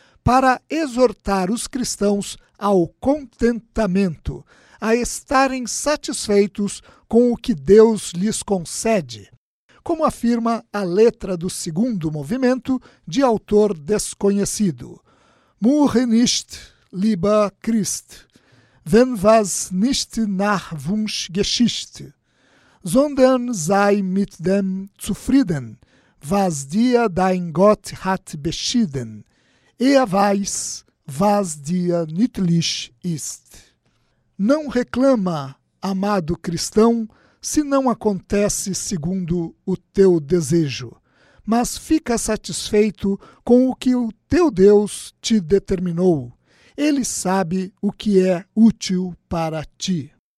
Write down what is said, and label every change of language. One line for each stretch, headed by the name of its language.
Portuguese: para exortar os cristãos ao contentamento, a estarem satisfeitos com o que Deus lhes concede, como afirma a letra do segundo movimento, de autor desconhecido.
German: Muhe nicht, lieber Christ, wenn was nicht nach Wunsch geschieht, sondern sei mit dem zufrieden, was dir dein Gott hat beschieden. Er weiß, was dir nützlich ist.
Portuguese: Não reclama, amado cristão, se não acontece segundo o teu desejo, mas fica satisfeito com o que o teu Deus te determinou. Ele sabe o que é útil para ti.